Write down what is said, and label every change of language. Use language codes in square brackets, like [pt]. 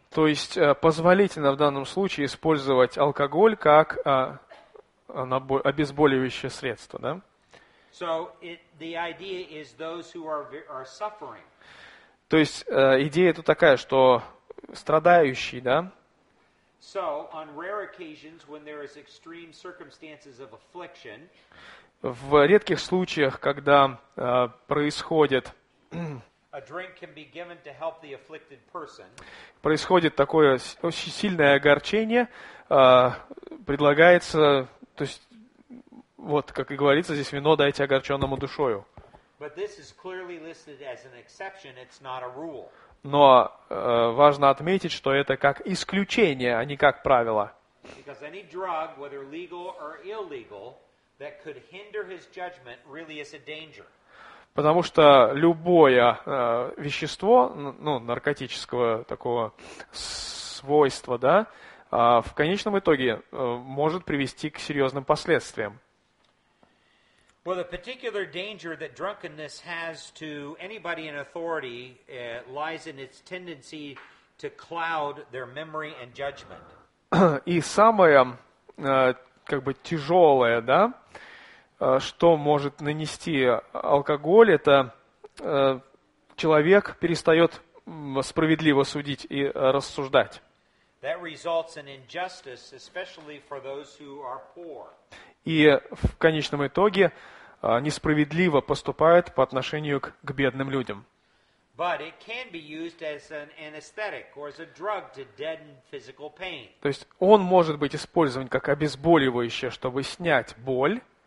[ru] То есть позволительно в данном случае использовать алкоголь как обезболивающее средство, да? [en] So the idea is those who are suffering. [ru] То есть идея тут такая, что страдающий, да? [en] So on rare occasions when there is extreme circumstances of affliction. [ru] В редких случаях, когда происходит [en] a drink can be given to help the afflicted person. [ru] Происходит такое очень сильное огорчение, предлагается, то есть, вот, как и говорится, здесь вино дайте огорченному душою. [en] But this is clearly listed as an exception, it's not a rule. [ru] Но важно отметить, что это как исключение, а не как правило. [en] Because any drug, whether legal or illegal, that could hinder his judgment really is a danger. [ru] Потому что любое вещество, ну, наркотического такого свойства, да, в конечном итоге может привести к серьезным последствиям. [en] Well, the particular danger that drunkenness has to anybody in authority lies in its tendency to cloud their memory and judgment. [ru] И самое, как бы, тяжелое, да, что может нанести алкоголь, это человек перестает справедливо судить и рассуждать. [en] That results in injustice, especially for those who are poor. [ru] И в конечном итоге несправедливо поступают по отношению к бедным людям. [en] But it can be used as an anesthetic or as a drug to deaden physical pain. [ru] То есть он может быть использован как обезболивающее, чтобы снять боль.